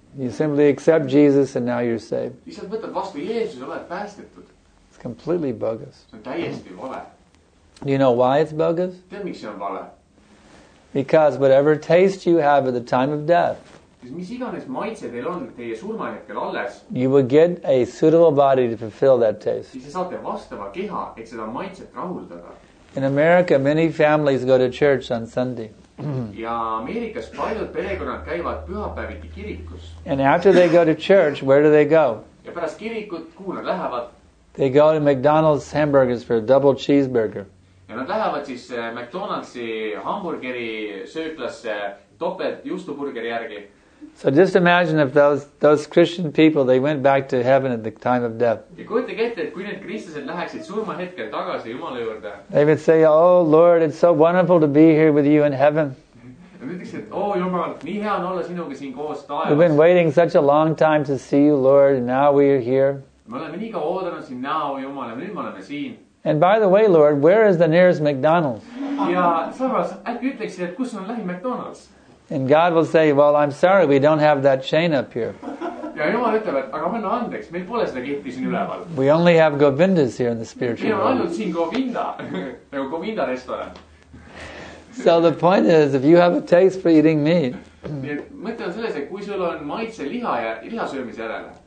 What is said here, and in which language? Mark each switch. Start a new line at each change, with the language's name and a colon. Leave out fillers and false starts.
English: You simply accept Jesus and now you're saved.
Estonian: Lihtsalt võtad vastu Jeesus, oled päästetud.
English: It's completely bogus.
Estonian: See on täiesti vale.
English: Do you know why it's bogus?
Estonian: Tead, miks see on vale?
English: Because whatever taste you have at the time of death,
Estonian: mis iganes maitse teil on teie surmahetkel alles,
English: you will get a suitable body to fulfill that taste.
Estonian: Siis saate vastava keha, et seda maitset rahuldada.
English: In America, many families go to church on Sunday.
Estonian: Ja Ameerikas paljud perekonnad käivad pühapäeviti kirikus.
English: And after they go to church, where do they go?
Estonian: Ja pärast kirikut, kuhu nad lähevad?
English: They go to McDonald's hamburgers for a double cheeseburger.
Estonian: Ja nad lähevad siis McDonald'si hamburgeri sööklasse topelt juustuburgeri järgi.
English: So just imagine if those Christian people, they went back to heaven at the time of death.
Estonian: Ja kujutage ette, et kui need kristlased läheksid surma hetkel tagasi Jumala juurde.
English: They would say, oh Lord, it's so wonderful to be here with you in heaven.
Estonian: Ja ütleks, et oh Jumal, nii hea on olla sinuga siin koos taevas.
English: We've been waiting such a long time to see you, Lord, and now we are here.
Estonian: Me oleme nii kaua oodanud siin näo, Jumal, ja nüüd me oleme siin.
English: And by the way, Lord, where is the nearest McDonald's?
Estonian: Ja sõbras, äkki ütleks, et kus on lähi McDonald's?
English: And God will say, well, I'm sorry, we don't have that chain up here.
Estonian: Ja Jumal ütleb, et aga anna andeks, meil pole seda kehti siin üleval.
English: We only have Govindas here in the spiritual
Estonian: world. Meil on ainult siin Govinda, nagu Govinda restaurant.
English: So the point is, if you have a taste for eating meat,
Estonian: mõte on selles, et kui sul on maitse liha ja liha söömise järele,